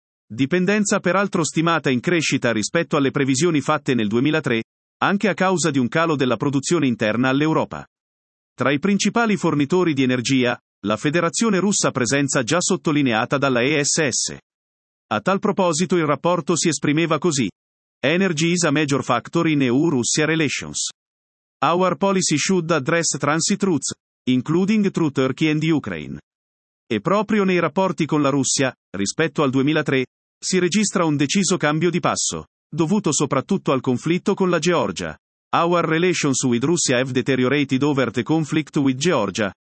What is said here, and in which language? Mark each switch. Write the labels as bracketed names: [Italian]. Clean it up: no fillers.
[Italian] Dipendenza peraltro stimata in crescita rispetto alle previsioni fatte nel 2003, anche a causa di un calo della produzione interna all'Europa. Tra i principali fornitori di energia, la Federazione Russa presenza già sottolineata dalla ESS. A tal proposito il rapporto si esprimeva così. [English] Energy is a major factor in EU-Russia relations. Our policy should address transit routes, including through Turkey and Ukraine. [Italian] E proprio nei rapporti con la Russia, rispetto al 2003, si registra un deciso cambio di passo, dovuto soprattutto al conflitto con la Georgia. [English] Our relations with Russia have deteriorated over the conflict with Georgia.